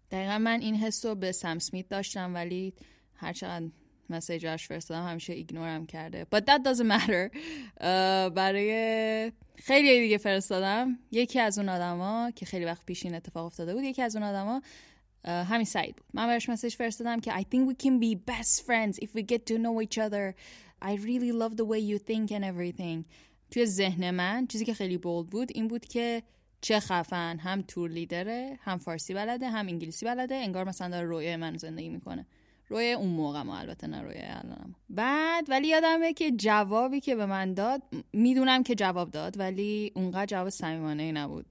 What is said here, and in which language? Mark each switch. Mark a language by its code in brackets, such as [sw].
[fa] دقیقا من این حس رو به سم سمیت داشتم، ولی هر چقدر مسیج هاش فرستادم همیشه ایگنورم کرده. [en] But that doesn't matter. [fa] برای خیلی دیگه فرستادم. یکی از اون آدم ها که خیلی وقت پیش این اتفاق افتاده بود، یکی از اون آدم ها همین سعید بود. من برش مسیج فرستادم که [en] I think we can be best friends if we get to know each other. I really love the way you think and everything. [fa] توی ذهن من چیزی که خیلی بولد بود این بود که چه خفن، هم تور لیدره، هم فارسی بلده، هم انگلیسی بلده، انگار مثلا داره رویای من زندگی میکنه. روی اون موقع ما البته نه روی الانم. بعد ولی یادمه که جوابی که به من داد، میدونم که جواب داد ولی اونقدر جواب صمیمانه نبود.